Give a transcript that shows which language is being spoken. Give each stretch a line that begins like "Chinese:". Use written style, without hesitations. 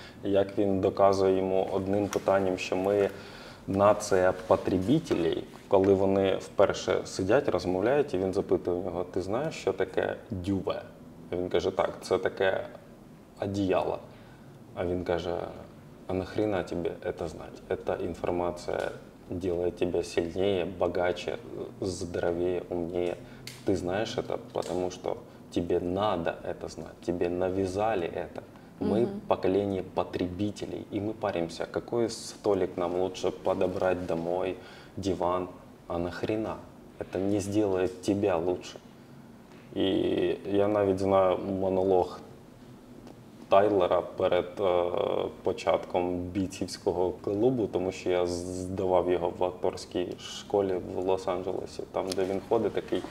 Ukrainian: Як він доказує йому одним питанням, що ми нація потребітелей, коли вони вперше сидять, розмовляють, і він запитує його, ти знаєш, що таке дюве? Він каже, так, це таке одіяло. А він каже, а нахріна тобі це знати?
Russian: Це інформація делает тебя сильнее, богаче, здоровее, умнее. Ты знаешь это, потому что тебе надо это знать, тебе навязали это. Мы поколение потребителей, и мы паримся, какой столик нам лучше подобрать домой, диван, а нахрена? Это не сделает тебя лучше.
Ukrainian: И я навіть знаю монолог Тайлера перед початком бійцівського клубу, тому що я здавав його в акторській школі в Лос-Анджелесі, там, де він ходить такий.